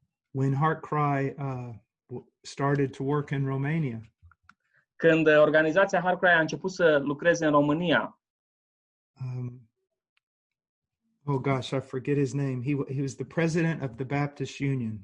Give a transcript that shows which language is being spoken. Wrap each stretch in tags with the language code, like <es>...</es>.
<en>When Heartcry started to work in Romania.</en> <ro>Când organizația Heartcry a început să lucreze în România.</ro> <en>Oh gosh, I forget his name. He was the president of the Baptist Union.</en>